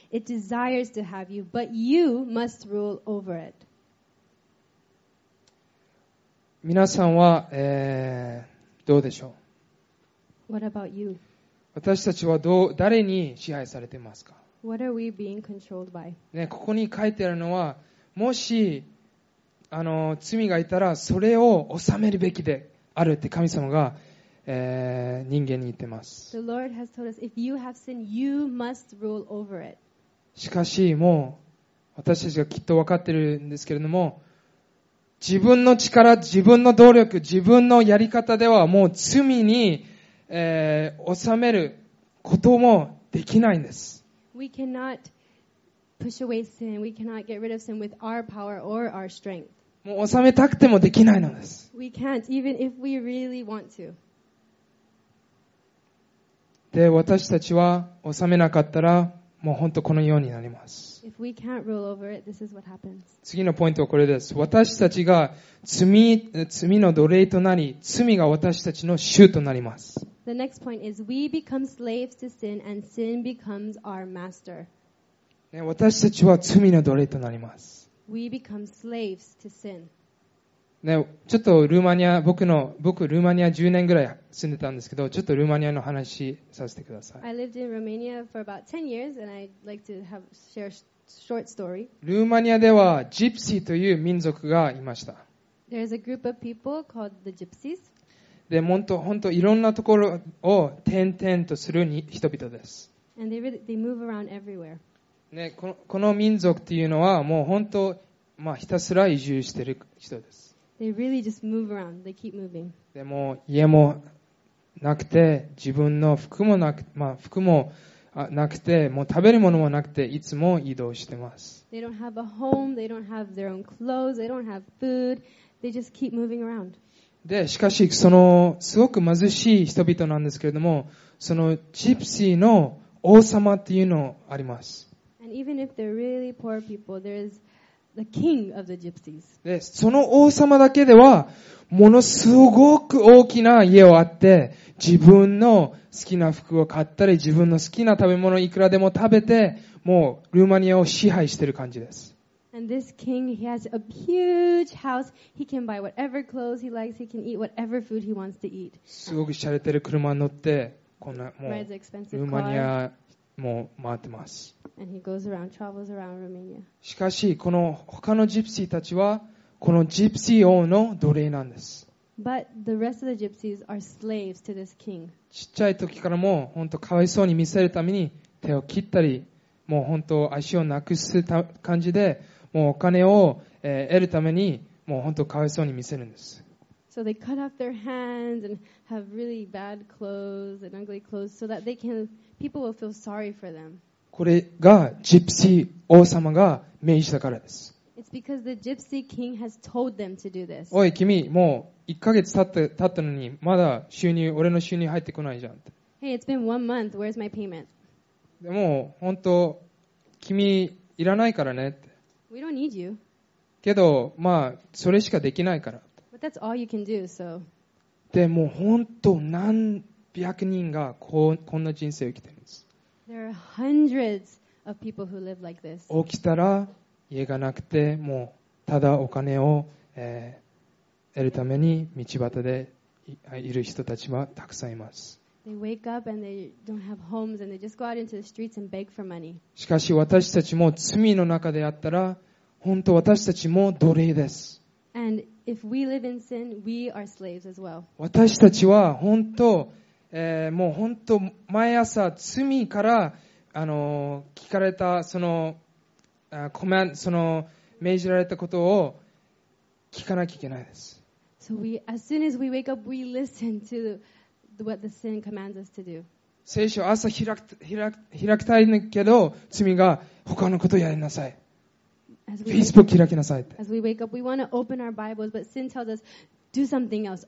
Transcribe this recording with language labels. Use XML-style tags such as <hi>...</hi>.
<en>It desires to have you, but you must rule over it.</en> <ja>皆さんは、どうでしょう。</ja> <en>What about you?</en> <ja>私たちはどう誰に支配されていますか。</ja> <en>What are we being controlled by?</en> <ja>ね、ここに書いてあるのは、もしあの罪がいたらそれを治めるべきであるって神様が、人間に言ってます。</ja> <en>The Lord has told us, if you have sinned, you must rule over it.</en> <ja>しかしもう私たちがきっと分かってるんですけれども。自分の力、自分の努力、自分のやり方ではもう罪に、治めることもできないんです。</ja> <en>We cannot push away sin. We cannot get rid of sin with our power or our strength.</en> <ja>もう治めたくてもできないのです。</ja> <en>We can't, even if we really want to.</en> <ja>で、私たちは治めなかったら、もう本当このようになります。</ja> <en>If we can't rule over it, this is what happens.</en> <ja>次のポイントはこれです。私たちが罪の奴隷となり、罪が私たちの主となります。</ja> <en>The next point is we become slaves to sin and sin becomes our master.</en> <ja>私たちは罪の奴隷となります。</ja> <en>We become slaves to sin.</en> <ja>ね、ちょっとルーマニア、僕ルーマニア10年ぐらい住んでたんですけど、ちょっとルーマニアの話させてください。</ja> <en>I lived in Romania for about 10 years and I'd like to have share a short story.</en> <ja>ルーマニアではジプシーという民族がいました。</ja> <en>There's a group of people called the gypsies.</en> <ja>で、本当いろんなところを転々とする人々です。</ja> <en>And they move around everywhere.</en> <ja>ね、この民族っていうのはもう本当、まあ、ひたすら移住している人です。</ja> <en>They really just move around. They keep moving.</en> <ja>でも家もなくて、自分の服もなく、まあ服もなくて、もう食べるものもなくて、いつも移動してます。</ja> <en>They don't have a home. They don't have their own clothes. They don't have food. They just keep moving around.</en> <ja>で、しかしそのすごく貧しい人々なんですけれども、そのジプシーの王様っていうのあります。</ja> <en>And even if they're really poor people, there'sThe king of the gypsies.</en> <ja>で、その王様だけではものすごく大きな家をあって、自分の好きな服を買ったり、自分の好きな食べ物をいくらでも食べて、もうルーマニアを支配している感じです。</ja> <en>And this king, he has a huge house. He can buy whatever clothes he likes. He can eat whatever food he wants to eat.</en> <ja>すごく洒落てる車に乗って、こんなもうルーマニアもう回ってます。</ja> <en>And he goes around, travels around Romania.</en> <ja>しかし、この他のジプシーたちは、このジプシー王の奴隷なんです。</ja> <en>But the rest of the gypsies are slaves to this king.</en> <ja>ちっちゃい時からも、本当かわいそうに見せるために手を切ったり、もう本当足をなくす感じで、もうお金を得るために、もう本当かわいそうに見せるんです。</ja> <en>So they cut off their hands and have really bad clothes and ugly clothes so that they can, people will feel sorry for them.</en> <ja>これがジプシー王様が命じたからです。</ja> <en>It's because the gypsy king has told them to do this.</en> <ja>おい、君、もう1ヶ月経ったのにまだ収入、俺の収入入ってこないじゃんって。</ja> <en>Hey, it's been one month. Where's my payment?</en> <ja>でも、本当、君、いらないからねって。</ja> <en>We don't need you.</en> <ja>けど、まあ、それしかできないから。</ja> <en>But that's all you can do, so.</en> <ja>でも本当何百人がこんな人生を生きているんです。</ja> <en>There are hundreds of people who live like this.</en> <ja>起きたら家がなくて、もうただお金を、得るために道端でいる人たちはたくさんいます。</ja> <en>They wake up and they don't have homes and they just go out into the streets and beg for money.</en> <ja>しかし私たちも罪の中であったら、本当私たちも奴隷です。</ja> <en>And if we live in sin, we are slaves as well.</en> <ja>私たちは本当、もう本当毎朝罪から聞かれたその、コマンド、その命じられたことを聞かなきゃいけないです。</ja> <en>So we, as soon as we wake up, we listen to what the sin commands us to do.</en> <ja>聖書朝開くたいけど、罪が他のことをやりなさい。 Facebook 開きなさいって。</ja> <en>As we wake up, we want to open our Bibles, but sin tells us, do something else.</en>